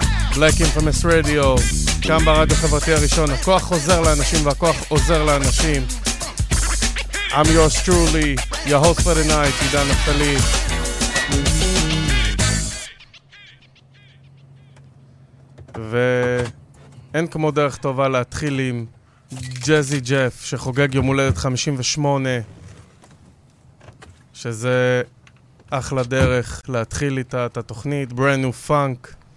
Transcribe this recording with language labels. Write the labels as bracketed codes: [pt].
[he] Black Infamous Radio, כאן ברדיו חברתי הראשון. הכוח חוזר לאנשים והכוח עוזר לאנשים. [en] I'm yours truly, your host for the night, עידן נפתלי. [he] ואין כמו דרך טובה להתחיל עם ג'אזי ג'אף, שחוגג יום הולדת 58. שזה אחלה דרך להתחיל איתה את התוכנית, brand new funk.